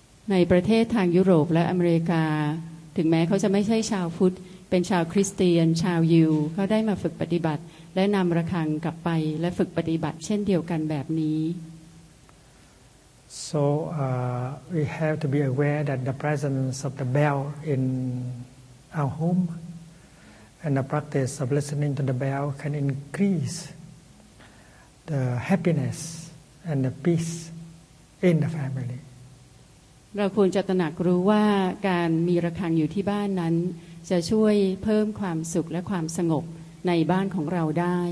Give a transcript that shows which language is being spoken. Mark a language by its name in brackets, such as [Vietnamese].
[Thai] ในประเทศทางยุโรปและอเมริกาถึงแม้เขาจะไม่ใช่ชาวพุทธเป็นชาวคริสเตียนชาวยิวเขาได้มาฝึกปฏิบัติและนำระฆังกลับไปและฝึกปฏิบัติเช่นเดียวกันแบบนี้ [English] So we have to be aware that the presence of the bell in our home and the practice of listening to the bell can increaseThe happiness and the peace in the family. [Thai] เราควรจะตระหนักรู้ว่าการมีระฆังอยู่ที่บ้านนั้นจะช่วยเพิ่มความสุขและความสงบในบ้านของเราได